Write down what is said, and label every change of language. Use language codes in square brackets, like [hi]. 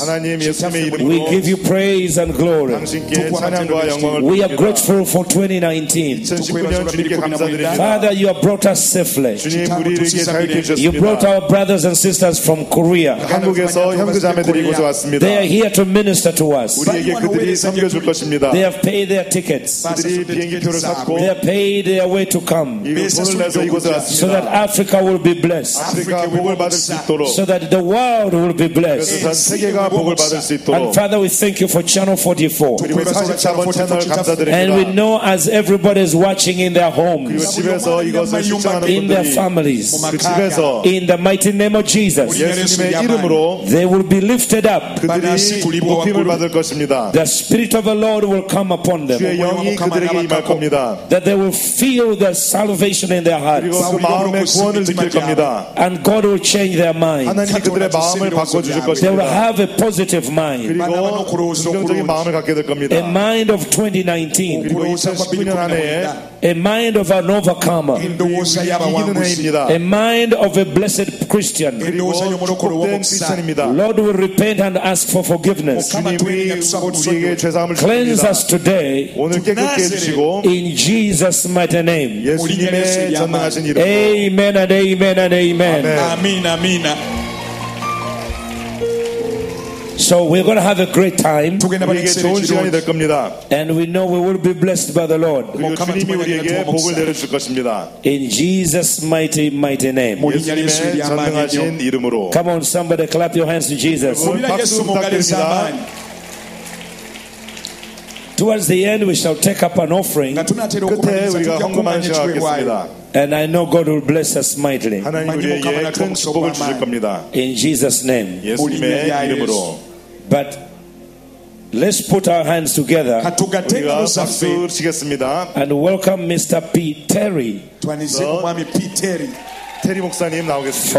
[ko] 하나님 예수님의 이름으로. [en] We give you praise and glory. [ko] 당신께 찬양과 영광을 [en] We are grateful for 2019. [ko] 2019년 주님께 감사드립니다. [en] Father, you have brought us safely. [ko] 주님 우리에게 잘 계셨습니다. [en] You brought our brothers and sisters from Korea. [ko] 한국에서 형제자매들이 이곳에 왔습니다. [en] They are here to minister to us. [ko] 우리에게 그들이 섬겨줄 것입니다. [en] They have paid their tickets. [ko] 그들이 비행기표를 샀고, [en] they have paid their way to come. [ko] 돈을 내서 이곳에 왔습니다. [en] So that Africa will be blessed. [ko] 아프리카 복을 받을 수 있도록. [en] So that the world will be blessed. [ko] 그래서 전 세계가 복을 받을 수 있도록. [en] And Father, we thank you for Channel 44. [ko] 그리고 44번 채널을 감사드립니다. [en] And we know as everybody is watching in their homes. [ko] 그리고 집에서 이곳을 시청하는 분들이, [en] in their families. [ko] 그 집에서, [en] in the mighty name of Jesus. [ko] 예수님의 이름으로 [en] they will be lifted up. [ko] 그들이 높임을 받을 것입니다. [en] The spirit of the Lord will come upon them. [ko] 주의 영이 그들에게 임할 겁니다. [en] That they will feel the salvation in their hearts. [ko] 그리고 그 마음의 구원을 느낄 겁니다. [en] And God will change their minds. [ko] 하나님이 그들의 마음을 바꿔주실 것입니다. [en] They will have a positive mind. [ko] 그리고 긍정적인 마음을 갖게 될 겁니다. [en] A mind of 2019. [ko] 그리고 2019년 안에 [en] A mind of an overcomer. [ko] 이기는 해입니다. [en] A mind of a blessed Christian. Lord will repent and ask for forgiveness. [ko] 주님, [en] cleanse us today. [ko] 오늘 깨끗게 해주시고 [en] in Jesus mighty name. [ko] 예수님의 전능하신 이름. [en] Amen and amen and amen. [ko] 아멘, 아멘. [en] So we're going to have a great time. [ko] 우리에게 좋은 시간이 될 겁니다. [en] And we know we will be blessed by the Lord. [ko] 주님이 우리에게 복을 내려줄 것입니다. [en] In Jesus mighty mighty name. [ko] 예수님의 전능하신 이름으로. [en] Come on, somebody clap your hands to Jesus. [ko] 박수 부탁드립니다. [en] Towards the end, we shall take up an offering. [ko] 끝에 우리가 헌금한 시간 하겠습니다. [en] And I know God will bless us mightily. [ko] 하나님 우리에게 큰 축복을 주실 겁니다. [en] In Jesus' name. [ko] 예수님의 이름으로. [en] But let's put our hands together. [ko] 우리가 박수를 치겠습니다. [en] And welcome Mr. Pete Terry. 2019 Pete Terry. [ko] 테리 목사님 나오겠습니다.